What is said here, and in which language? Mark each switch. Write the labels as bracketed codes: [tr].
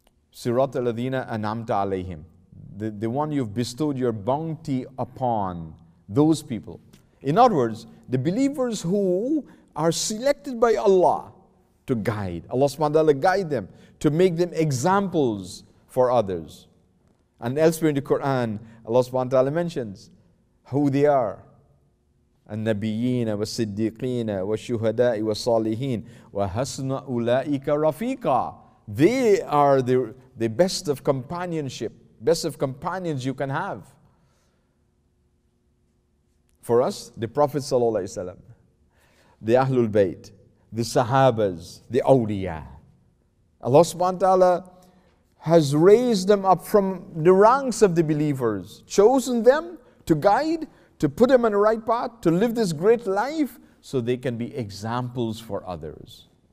[ar] Sirat al-ladhina an'amta alayhim. [en] The one you've bestowed your bounty upon, those people. In other words, the believers who are selected by Allah to guide. Allah subhanahu wa ta'ala guide them, to make them examples for others. And elsewhere in the Quran, Allah subhanahu wa ta'ala mentions who they are. [ar] النبيين والصديقين والشهداء والصالحين وحسن أولئك رفيقا. [en] They are the best of companionship, best of companions you can have. For us, the Prophet sallallahu alaihi wasallam, the Ahlul Bayt, the Sahabas, the Awliya. Allah subhanahu wa ta'ala has raised them up from the ranks of the believers, chosen them to guide, to put them on the right path, to live this great life, so they can be examples for others.